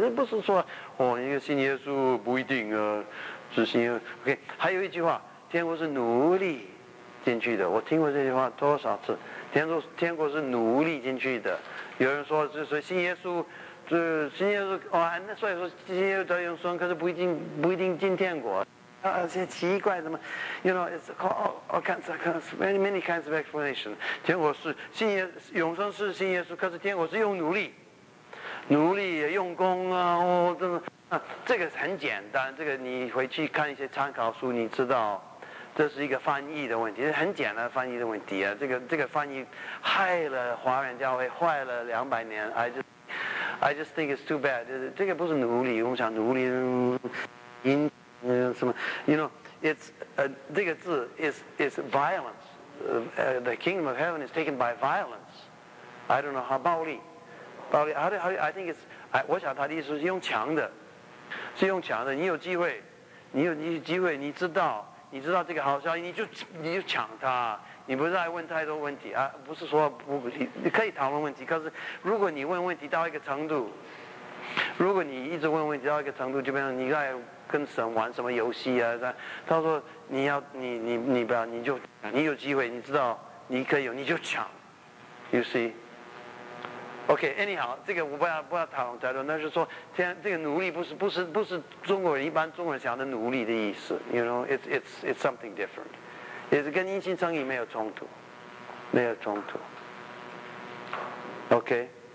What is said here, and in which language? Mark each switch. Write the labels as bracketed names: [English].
[Chinese] 这不是说一个信耶稣不一定啊，只信耶稣。OK， 还有一句话，天国是奴隶进去的。我听过这句话多少次？天国是奴隶进去的。有人说，就是信耶稣，就信耶稣哦，那所以说信耶稣得永生，可是不一定进天国。而且奇怪什么 [English] ，you know，it's all kinds of many many kinds of explanation。 [Chinese] 天国是信耶稣，永生是信耶稣，可是天国是用奴隶也用功啊，这个很简单，这个你回去看一些参考书，你知道这是一个翻译的问题，很简单翻译的问题啊。这个翻译害了华人教会，坏了200年。 [English] I just think it's too bad。 [Chinese] 这个不是奴隶，我们想奴隶， [English] You know, it's [Chinese] 这个字 [English] is violence. The kingdom of heaven is taken by violence. I don't know how 暴力 how I think it's [Chinese] 我想他的意思是用强的。你有机会，你知道这个好消息，你就抢他。你不再问太多问题啊，不是说不，你可以讨论问题，可是如果你问问题到一个程度，如果你一直问问题到一个程度，就变成你在跟神玩什么游戏啊？他说你要你不要，你就你有机会，你知道你可以有，你就抢。 [English] You see? Okay, anyhow, [Chinese] 这个我不要讨论太多。那是说，这个奴隶不是中国人一般中国人想的奴隶的意思。 [English] You know, it's something different. [Chinese] 也是跟因信称义没有冲突。Okay.